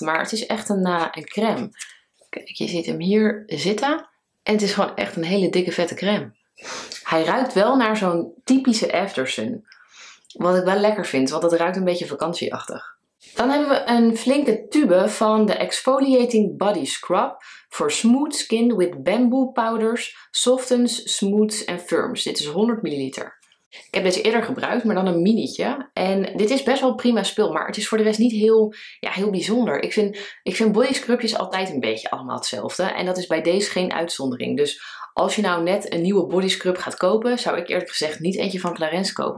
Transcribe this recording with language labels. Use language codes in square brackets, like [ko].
[nl] Maar het is echt een crème. Kijk, je ziet hem hier zitten. En het is gewoon echt een hele dikke vette crème. Hij ruikt wel naar zo'n typische aftersun. Wat ik wel lekker vind, want het ruikt een beetje vakantieachtig. Dan hebben we een flinke tube van de Exfoliating Body Scrub. [en] For smooth skin with bamboo powders, softens, smooths en firms. [nl] Dit is 100 ml. Ik heb deze eerder gebruikt, maar dan een minietje. En dit is best wel prima spul, maar het is voor de rest niet heel, ja, heel bijzonder. Ik vind bodyscrubjes altijd een beetje allemaal hetzelfde. En dat is bij deze geen uitzondering. Dus als je nou net een nieuwe bodyscrub gaat kopen, zou ik eerlijk gezegd niet eentje van Clarins kopen.